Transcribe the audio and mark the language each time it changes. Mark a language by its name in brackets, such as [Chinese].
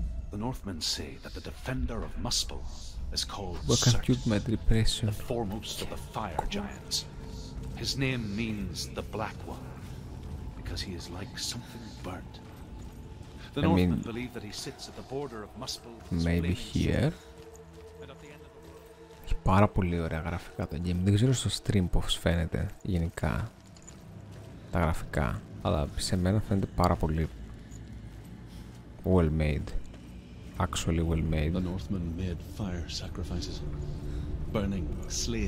[English] The Northmen say that the defender of Muspel is called Surtis, the foremost of the fire giants. His name means the Black One, because he is like something burnt. The Northmen believe that he sits at the border of Muspel. Maybe here. [Greek] Έχει πάρα πολύ ωραία γραφικά το game. Δεν ξέρω στο stream πώς φαίνεται γενικά τα γραφικά, αλλά σε μένα φαίνεται πάρα πολύ [English] well made. Actually well made. The Northmen made fire sacrifices, burning slaves.